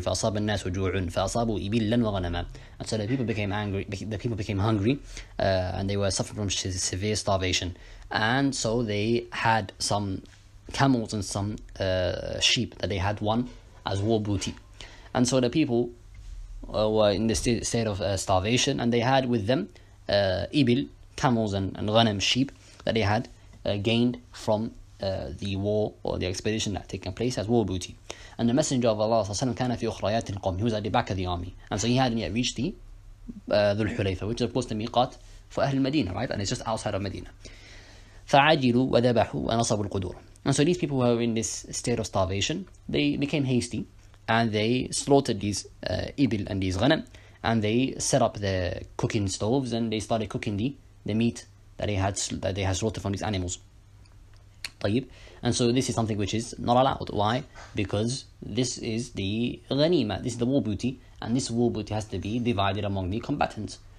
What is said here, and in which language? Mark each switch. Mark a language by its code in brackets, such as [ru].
[ar] فأصاب الناس وجوعٌ فأصابوا إبلاً وغنماً. [en] And so the people became hungry, and they were suffering from severe starvation. And so they had some camels and some sheep that they had won as war booty. And so the people were in the state of starvation, and they had with them ibil, camels and ghanam, sheep that they had gained from the war or the expedition that had taken place as war booty. And the Messenger of Allah [ar] كان في أخريات القوم, [en] he was at the back of the army, and so he hadn't yet reached the Dhul Hulayfa, which is of course the miqat for Ahl Medina, right? And it's just outside of Medina. [ar] فعجلوا وذبحوا ونصبوا القدور. [en] And so these people who were in this state of starvation, they became hasty and they slaughtered these ibil and these ghanam, and they set up the cooking stoves and they started cooking the meat that they had slaughtered from these animals. [ar] طيب. [en] And so this is something which is not allowed. Why? Because this is the ghanima, this is the war booty, and this war booty has to be divided among the combatants.